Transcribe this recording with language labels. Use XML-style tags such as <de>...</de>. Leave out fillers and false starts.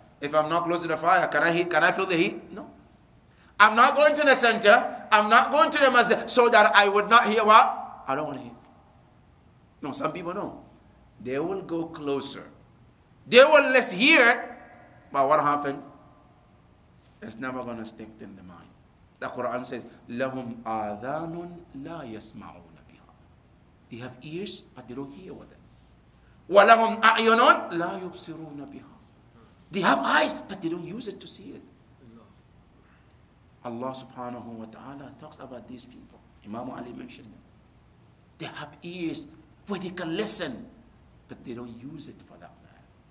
<en>If I'm not close to the fire, can I feel the heat? No. I'm not going to the center. I'm not going to the masjid so that I would not hear what? I don't want to hear. No, some people know. They will go closer. They will less hear it. But what happened? It's never going to stick in the mind. The Quran says,</en> <ar>لَهُمْ آذَانٌ لَا يَسْمَعُونَ بِهَا.</ar> <en>They have ears, but they don't hear with them.</en> <ar>وَلَهُمْ أَعْيُنٌ لَا يُبْصِرُونَ بِهَا.</ar> <en>They have eyes, but they don't use it to see it. Allah subhanahu wa ta'ala talks about these people. Imam Ali mentioned them. They have ears where they can listen, but they don't use it for that man.</en>